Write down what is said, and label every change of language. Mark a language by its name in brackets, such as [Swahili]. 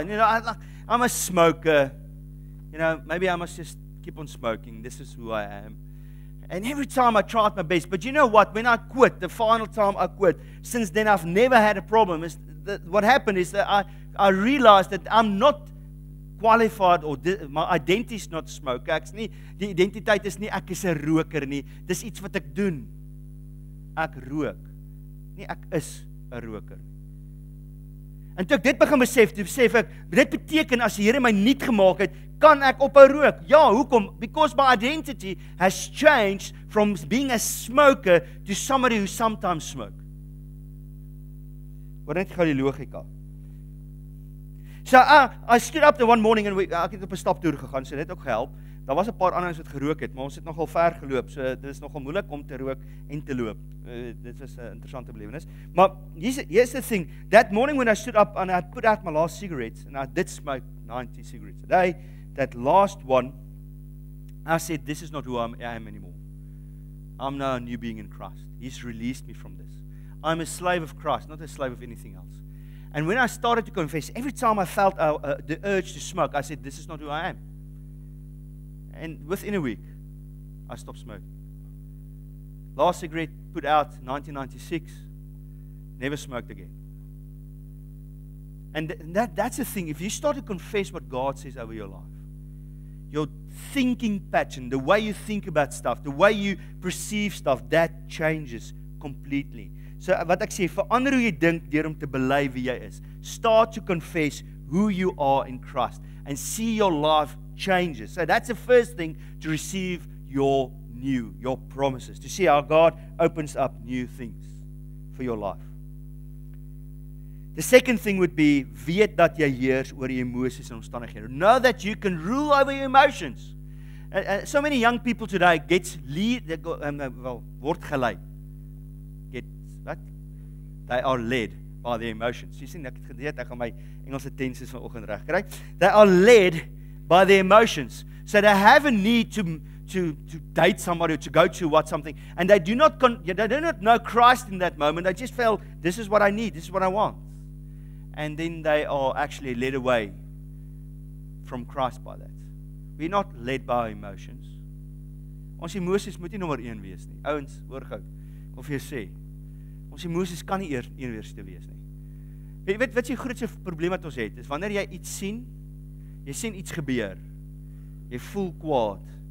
[English] And, you know, I'm a smoker. You know, maybe I must just keep on smoking. This is who I am. And every time I tried my best, but you know what? When I quit, the final time I quit, since then I've never had a problem. What happened is that I realized that I'm not qualified, or my identity is not smoker. [Afrikaans] Ek's nie, die identiteit is nie, ek is 'n roker nie. Dis iets wat ek doen. Ek rook. Nie, ek is 'n roker. En toe ek dit begin besef, toe besef ek, dit beteken as die Here my nuut gemaak het, kan ek ophou rook? Ja, hoekom? [English] Because my identity has changed from being a smoker to somebody who sometimes smoke. [Afrikaans] Wat net gou die logika. [English] So I stood up there one morning and [Afrikaans] ek het op 'n stap toer gegaan, so dit het ook gehelp. Daar was 'n paar ander wat gerook het, maar ons het nogal ver geloop, so dit is nogal moeilik om te rook en te loop. Dit was 'n interessante belewenis. [English] Maar here's the thing, that morning when I stood up and I put out my last cigarettes, and I did smoke 90 cigarettes a day, that last one, I said, this is not who I am anymore. I'm now a new being in Christ. He's released me from this. I'm a slave of Christ, not a slave of anything else. And when I started to confess, every time I felt the urge to smoke, I said, this is not who I am. And within a week, I stopped smoking. Last cigarette put out 1996, never smoked again. And that's the thing. If you start to confess what God says over your life, your thinking pattern, the way you think about stuff, the way you perceive stuff, that changes completely. [Afrikaans] So wat ek sê, verander hoe jy dink deur om te bely wie jy is. [English] Start to confess who you are in Christ and see your life changes. So that's the first thing, to receive your promises, to see how God opens up new things for your life. The second thing would be, [Afrikaans] weet dat jy heers oor jou emosies en omstandighede. [English] Know that you can rule over your emotions. So many young people today they are led by their emotions. [Afrikaans] Jy sien, ek het geleer, ek gaan my Engelse tenses vanoggend reg kry. [English] They are led by their emotions. So they have a need to date somebody or to go to what something, and they do not know Christ in that moment. They just feel, this is what I need, this is what I want. And then they are actually led away from Christ by that. We're not led by our emotions. [Afrikaans] Ons emosies moet nie nommer 1 wees nie. Ouens, hoor gou. Of jy sê, ons emosies kan nie eers een weerste wees nie. Jy weet wat is die grootste probleem wat ons het? Is wanneer jy iets sien, jy sien iets gebeur. Jy voel kwaad.